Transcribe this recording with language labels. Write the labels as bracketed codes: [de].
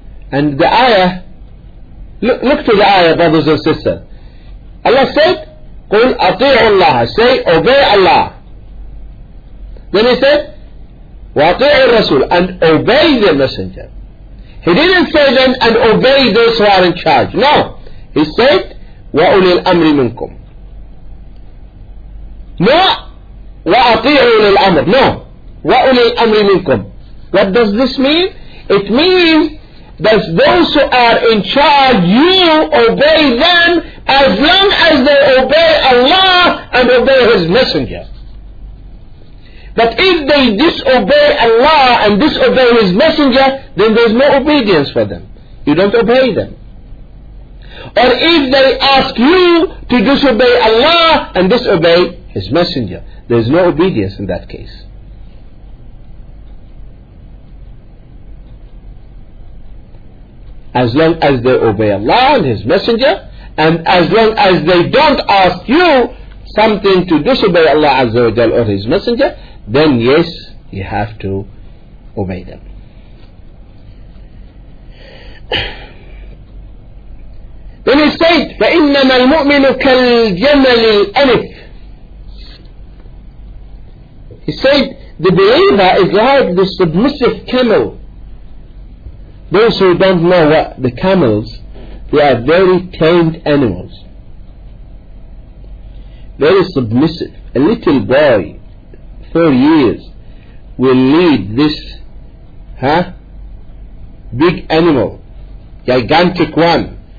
[en] And the ayah, look to the ayah, brothers and sisters. Allah said, [ar] قُلْ أَطِيعُ اللَّهَ, [en] say, obey Allah. Then he said, [ar] وَاطِعُ الرَّسُولِ [en] and obey the messenger. He didn't say then and obey those who are in charge. No. He said, [ar] وَأُولِي الْأَمْرِ مِنْكُمْ. [en] No. [ar] وَاطِعُ الْأَمْرِ. No. وَأُولِي الْأَمْرِ مِنْكُمْ. [en] What does this mean? It means that those who are in charge, you obey them as long as they obey Allah and obey His Messenger. But if they disobey Allah and disobey His Messenger, then there is no obedience for them. You don't obey them. Or if they ask you to disobey Allah and disobey His Messenger, there is no obedience in that case. As long as they obey Allah and His Messenger, and as long as they don't ask you something to disobey Allah Azza wa Jal or His Messenger, then yes, you have to obey them. Then he said, [ar] فَإِنَّمَا الْمُؤْمِنُ كَالْجَمَلِ الْأَلِفِ. [en] He said, the believer is like the submissive camel. Those who don't know what the camels, they are very tamed animals. Very submissive. A little boy, 4 years, will lead this big animal, gigantic one.